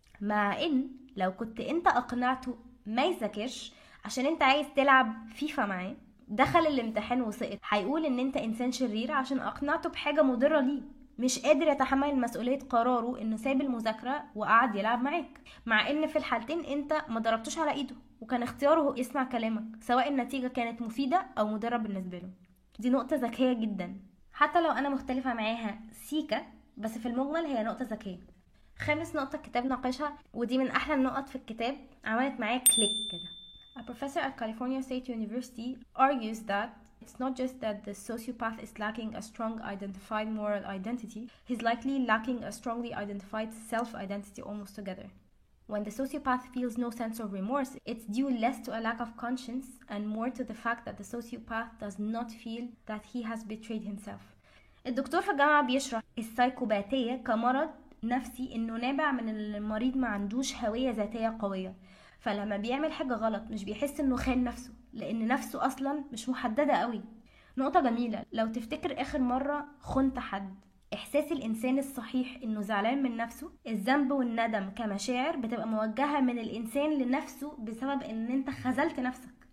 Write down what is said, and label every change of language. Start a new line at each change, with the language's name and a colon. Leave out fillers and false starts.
Arabic: مع ان لو كنت انت اقنعته ما يذاكرش عشان انت عايز تلعب فيفا معاه، دخل الامتحان وسقط، هيقول ان انت انسان شرير عشان اقنعته بحاجة مضرة ليه، مش قادر يتحمل مسؤولية قراره انه ساب المذاكرة وقعد يلعب معاك، مع ان في الحالتين انت ما ضربتوش على ايده وكان اختياره يسمع كلامك سواء النتيجة كانت مفيدة او مضرة بالنسبة له. دي نقطة ذكية جدا، حتى لو انا مختلفة معاها سيكا بس في المجمل هي نقطة ذكية. خامس نقطة الكتاب ناقشها ودي من احلى النقط في الكتاب، عملت معايا كليك كده.
English: A professor at California State University argues that it's not just that the sociopath is lacking a strong identified moral identity, he's likely lacking a strongly identified self-identity almost together. When the sociopath feels no sense of remorse, it's due less to a lack of conscience and more to the fact that the sociopath does not feel that he has betrayed himself.
Arabic: الدكتور في الجامعة بيشرح السايكوباتية كمرض نفسي انه نابع من المريض ما عندوش هوية ذاتية قوية، فلما بيعمل حاجة غلط مش بيحس انه خان نفسه لان نفسه اصلا مش محددة قوي. نقطة جميلة، لو تفتكر اخر مرة خنت حد، احساس الانسان الصحيح انه زعلان من نفسه، الذنب والندم كمشاعر بتبقى موجهة من الانسان لنفسه بسبب ان انت خذلت نفسك.